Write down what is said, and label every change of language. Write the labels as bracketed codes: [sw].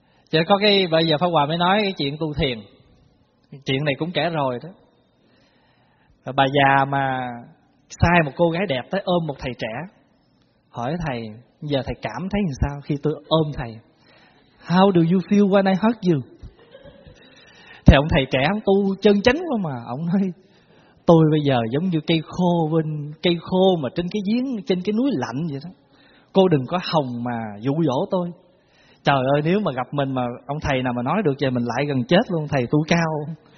[vi] Chỉ có cái bây giờ Pháp Hòa mới nói cái chuyện tu thiền. Chuyện này cũng kể rồi đó. Bà già mà sai một cô gái đẹp tới ôm một thầy trẻ, hỏi thầy, giờ thầy cảm thấy như sao khi tôi ôm thầy? [en] How do you feel when I hug you? [vi] Thì ông thầy trẻ tu chân chánh quá mà, ông nói tôi bây giờ giống như cây khô bên, cây khô mà trên cái giếng, trên cái núi lạnh vậy đó. Cô đừng có hòng mà dụ dỗ tôi. Trời ơi, nếu mà gặp mình mà ông thầy nào mà nói được thì mình lại gần chết luôn. Thầy tu cao.